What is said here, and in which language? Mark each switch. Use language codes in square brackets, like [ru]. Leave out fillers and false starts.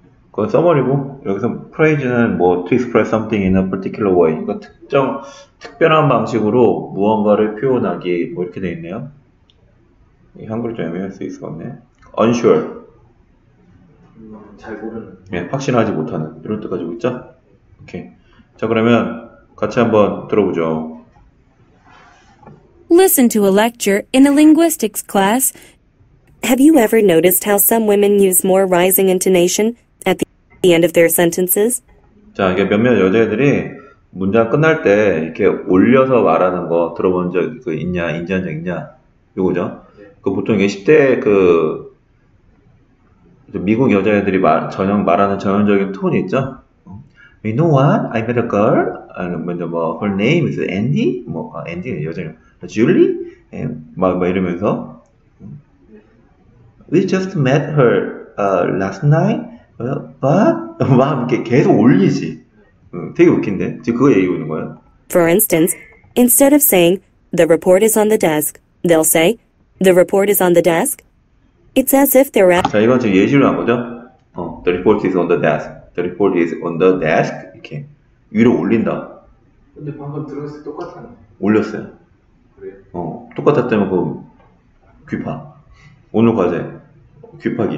[ko] 그건 summary고 여기서 phrase는 뭐 [en] to express something in a particular way. [ko] 그러니까 특정 특별한 방식으로 무언가를 표현하기 뭐 이렇게 돼 있네요. 한글 좀 애매할 수 있을 것 같네. [en] Unsure. [ko] 잘 모르는. 예, 네, 확신하지 못하는 이런 뜻 가지고 있죠. 오케이. 자 그러면 같이 한번 들어보죠. [en] Listen to a lecture in a linguistics class. Have you ever noticed how some women use more rising intonation at the end of their sentences? [ko] 자, 이게 몇몇 여자애들이 문장 끝날 때 이렇게 올려서 말하는 거 들어본 적 있냐, 인지한 적 있냐? 이거죠. 그 보통 20대 그 미국 여자애들이 말 전형 말하는 전형적인 톤이 있죠. [en] You know what? I met a girl. [ko] 아니면 뭐 [en] her name is Andy. [ko] 뭐 아, Andy 여자애. 줄리? 예, 막 이러면서 [en] We just met her last night but [ko] 막 이렇게 계속 올리지 되게 웃긴데 지금 그거 얘기하고 있는 거야 [en] For instance, instead of saying the report is on the desk they'll say the report is on the desk It's as if they're at [ko] 자, 이건 지금 예시로 한 거죠 [en] the report is on the desk the report is on the desk [ko] 이렇게 위로 올린다 근데 방금 들었을 때 똑같았네 올렸어요 똑같았다면 그 귀파 오늘 과제 귀파기